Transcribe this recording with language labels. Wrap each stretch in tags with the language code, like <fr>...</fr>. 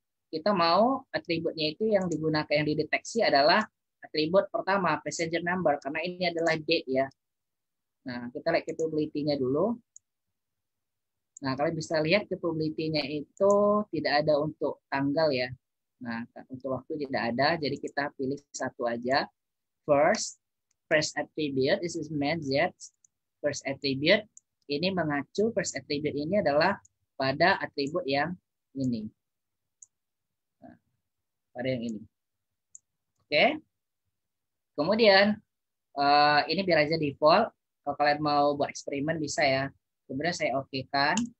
<id>Kita mau atributnya itu yang digunakan, yang dideteksi adalah atribut pertama, passenger number, karena ini adalah date ya. Nah, kita lihat capability-nya dulu. Nah, kalian bisa lihat capability-nya itu tidak ada untuk tanggal ya. Nah, untuk waktu tidak ada, jadi kita pilih satu aja.</id> <en>First attribute, this is means that first attribute.</en> <id>Ini mengacu, first attribute ini adalah pada atribut yang ini. Pada yang ini. Oke. Kemudian, ini biar aja default. Kalau kalian mau buat eksperimen, bisa ya. Kemudian saya oke-kan.</id>